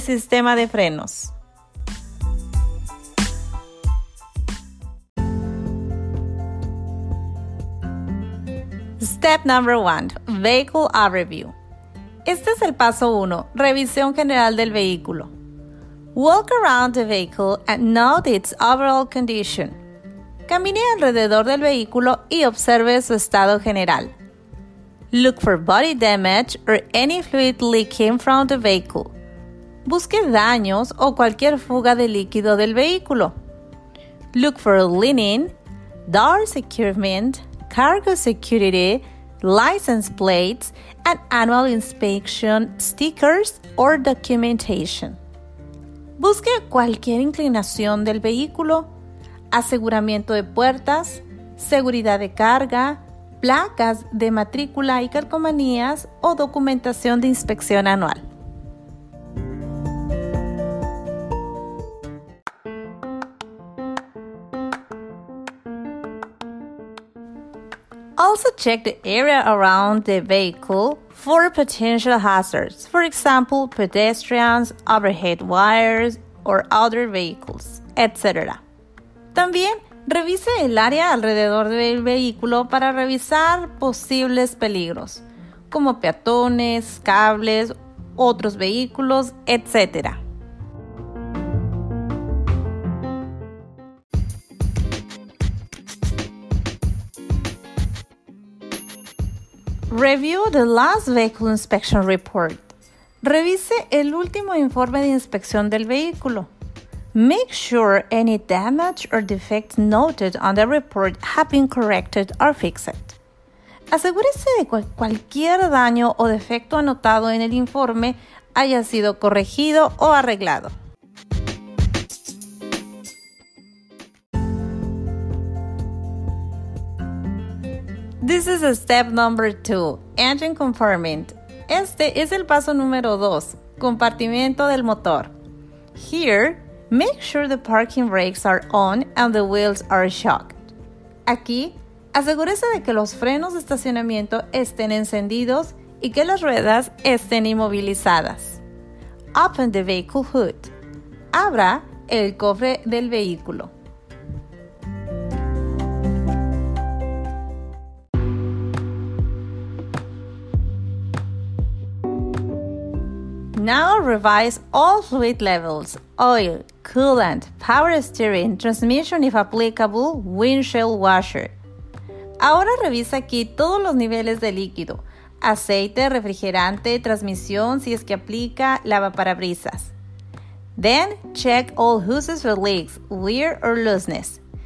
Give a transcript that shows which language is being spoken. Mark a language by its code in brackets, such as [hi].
[es] Sistema de frenos. [en] Step number 1, vehicle overview. [es] Este es el paso 1, revisión general del vehículo. [en] Walk around the vehicle and note its overall condition. [es] Camine alrededor del vehículo y observe su estado general. [en] Look for body damage or any fluid leaking from the vehicle. [es] Busque daños o cualquier fuga de líquido del vehículo. [en] Look for leaning, doors equipment, cargo security, license plates, and annual inspection stickers or documentation. [es] Busque cualquier inclinación del vehículo, aseguramiento de puertas, seguridad de carga, placas de matrícula y calcomanías o documentación de inspección anual. [en] Also check the area around the vehicle for potential hazards, for example, pedestrians, overhead wires, or other vehicles, etc. [es] También revise el área alrededor del vehículo para revisar posibles peligros, como peatones, cables, otros vehículos, etc. [en] Review the last vehicle inspection report. [es] Revise el último informe de inspección del vehículo. [en] Make sure any damage or defect noted on the report have been corrected or fixed. [es] Asegúrese de que cualquier daño o defecto anotado en el informe haya sido corregido o arreglado. [en] This is step number 2, engine compartment. [es] Este es el paso número 2, compartimiento del motor. [en] Here, make sure the parking brakes are on and the wheels are shocked. [es] Aquí, asegúrese de que los frenos de estacionamiento estén encendidos y que las ruedas estén inmovilizadas. [en] Open the vehicle hood. [es] Abra el cofre del vehículo. [en] Now revise all fluid levels, oil, coolant, power steering, transmission if applicable, windshield washer. [es] Ahora revisa aquí todos los niveles de líquido, aceite, refrigerante, transmisión si es que aplica, lavaparabrisas. [en] Then check all hoses for leaks, wear or looseness.